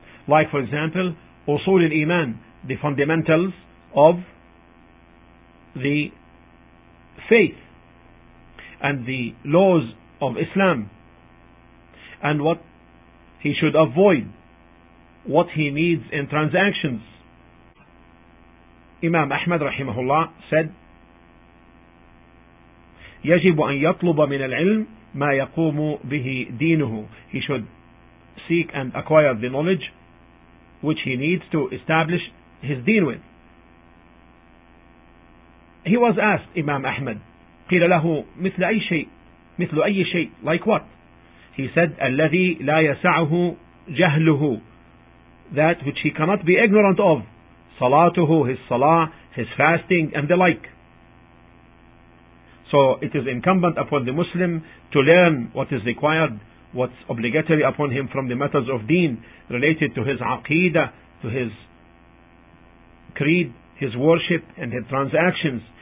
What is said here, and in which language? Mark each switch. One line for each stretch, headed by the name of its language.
English: Like for example, Usul al-Iman, the fundamentals of the faith and the laws of Islam, and what he should avoid, what he needs in transactions.
Arabic: Imam Ahmad rahimahullah said, يجب أن يطلب من العلم ما يقوم به دينه.
English: He should seek and acquire the knowledge which he needs to establish his deen with. He was asked, Imam Ahmad,
Arabic: قيل له مثل أي شيء, مثل أي شيء,
English: like what? He said,
Arabic: الذي لا يسعه جهله,
English: that which he cannot be ignorant of, صلاته, his salah, his fasting, and the like. So it is incumbent upon the Muslim to learn what is required, what's obligatory upon him from the matters of deen related to his aqeedah, to his creed, his worship, and his transactions.